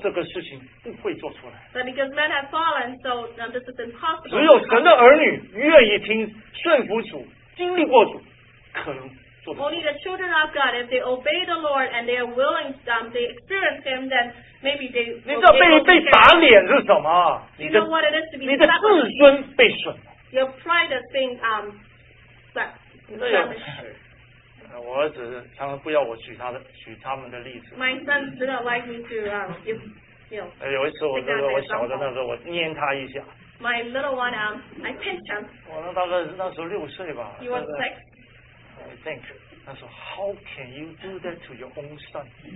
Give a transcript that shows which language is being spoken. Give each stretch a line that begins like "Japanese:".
English: but because men have fallen, so this is impossible.
Chinese: 只有神的儿女愿意听顺服主, 经历过主,
English: only the children of God, if they obey the Lord and they are willing, they experience Him, then maybe they will be able to carry them.
Chinese: 你知道被打脸是什么?
English: You know what it is to be suffered?
Chinese: 你的自尊被损.
English: Your pride is being damaged.
Chinese: 我儿子常常不要我举他们的例子.
English: My sons do not like me to, you know.
Chinese: 有一次我小的那时候我捏他一下.
English: My little one, I pinched him.
Chinese: 我那大概那时候六岁吧.
English: He was 6. I think.
Chinese: 他说,
English: how can you do that to your own son?